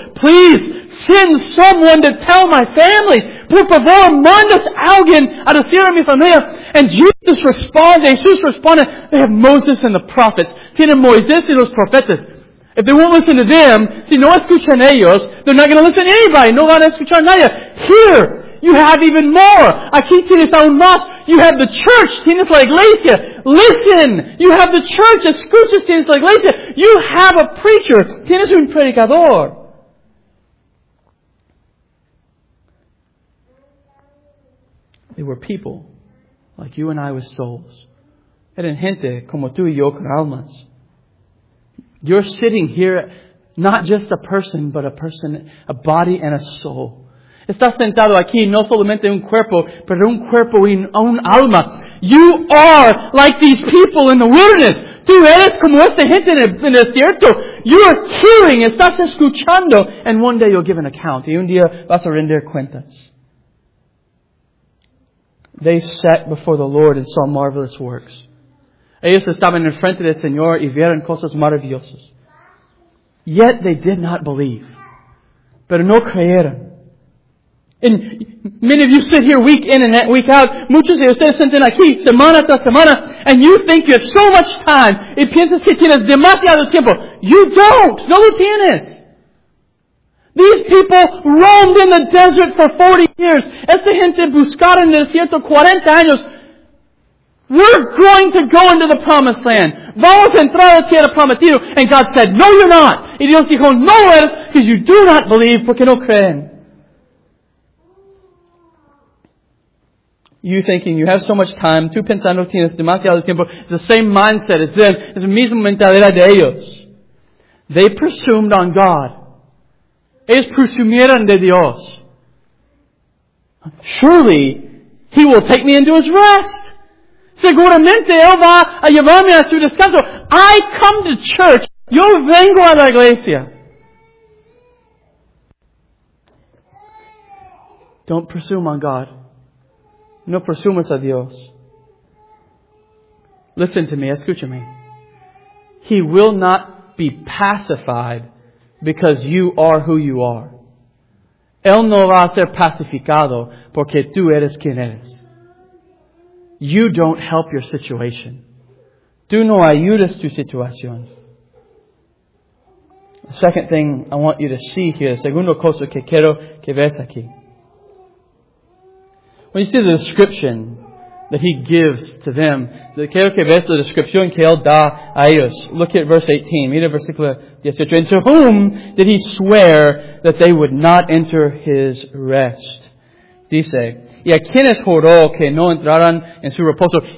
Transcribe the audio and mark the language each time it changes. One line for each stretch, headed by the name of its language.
English: Please send someone to tell my family.
Spanish: Por favor, mandas alguien a decir a mi familia.
English: And Jesus responds. Jesus responded. They have Moses and the prophets.
Spanish: Tienen Moisés y los profetas.
English: If they won't listen to them,
Spanish: si no escuchan ellos,
English: they're not going to listen to anybody.
Spanish: No van a escuchar nadie.
English: Here, you have even more.
Spanish: Aquí tienes aún más.
English: You have the church.
Spanish: Tienes la iglesia.
English: Listen. You have the church.
Spanish: Escuchas. Tienes la iglesia.
English: You have a preacher.
Spanish: Tienes un predicador.
English: They were people like you and I with souls.
Spanish: Eran gente como tú y yo con almas.
English: You're sitting here, not just a person, but a person, a body and a soul.
Spanish: Estás sentado aquí, no solamente un cuerpo, pero un cuerpo y un alma.
English: You are like these people in the wilderness.
Spanish: Tú eres como esta gente en el desierto.
English: You are hearing,
Spanish: estás escuchando,
English: and one day you'll give an account.
Spanish: Y un día vas a render cuentas.
English: They sat before the Lord and saw marvelous works.
Spanish: Ellos estaban en frente del Señor y vieron cosas maravillosas.
English: Yet they did not believe.
Spanish: Pero no creyeron.
English: And many of you sit here week in and week out.
Spanish: Muchos de ustedes sentan aquí semana tras semana.
English: And you think you have so much time.
Spanish: Y piensas que tienes demasiado tiempo.
English: You don't.
Spanish: No lo tienes.
English: These people roamed in the desert for 40 years.
Spanish: Esta gente buscaron en el desierto 40 años.
English: We're going to go into the promised land.
Spanish: Vamos a entrar a la tierra prometida.
English: And God said, no, you're not.
Spanish: Y Dios dijo, no eres,
English: because you do not believe,
Spanish: porque no creen.
English: You thinking you have so much time,
Spanish: tú pensando tienes demasiado tiempo,
English: it's the same mindset as them, it's the
Spanish: misma mentalidad de ellos.
English: They presumed on God.
Spanish: Ellos presumieron de Dios.
English: Surely, He will take me into His rest.
Spanish: Seguramente Él va a llevarme a su descanso.
English: I come to church.
Spanish: Yo vengo a la iglesia.
English: Don't presume on God.
Spanish: No presumas a Dios.
English: Listen to me.
Spanish: Escúchame.
English: He will not be pacified because you are who you are.
Spanish: Él no va a ser pacificado porque tú eres quien eres.
English: You don't help your situation.
Spanish: Tú no ayudas tu situación.
English: The second thing I want you to see here,
Spanish: segundo cosa que quiero que veas aquí.
English: When you see the description that he gives to them,
Spanish: quiero que veas la descripción que él da a ellos.
English: Look at verse 18.
Spanish: Mira versículo 18.
English: And to whom did he swear that they would not enter his rest?
Spanish: Dice, y a quienes juró que no entrarán en su reposo.